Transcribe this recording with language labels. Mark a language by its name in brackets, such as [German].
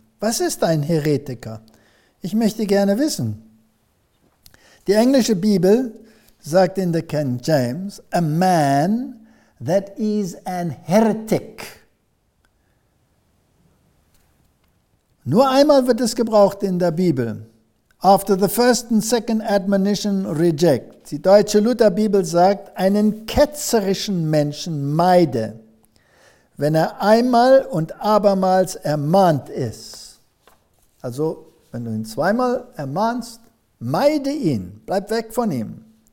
[German] Was ist ein Heretiker? Ich möchte gerne wissen. Die englische Bibel sagt in der King James, [English] a man that is an heretic. [German] Nur einmal wird es gebraucht in der Bibel. [English] After the first and second admonition, reject. [German] Die deutsche Lutherbibel sagt, einen ketzerischen Menschen meide, wenn er einmal und abermals ermahnt ist. Also, wenn du ihn zweimal ermahnst, meide ihn, bleib weg von ihm.